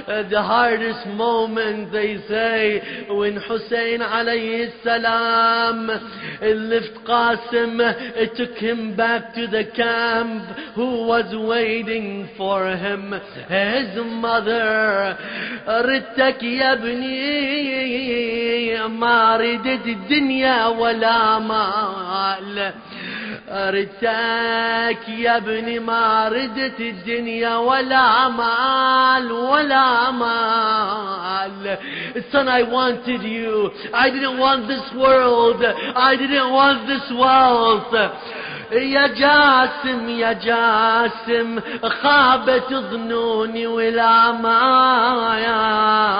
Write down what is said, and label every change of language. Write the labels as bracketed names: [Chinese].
[English] The hardest moment, they say, when Hussein alayhi salam left Qasim, it took him back to the camp who was waiting for him. His mother, [Arabic] ردتك يا ابني ما ردت الدنيا ولا مال. ردتك يا ابني ما ردت الدنيا ولا مال ولا مال. [English] Son, I wanted you. I didn't want this world. I didn't want this wealth. [Arabic] يا جاسم يا جاسم خابت ظنوني ولا مال.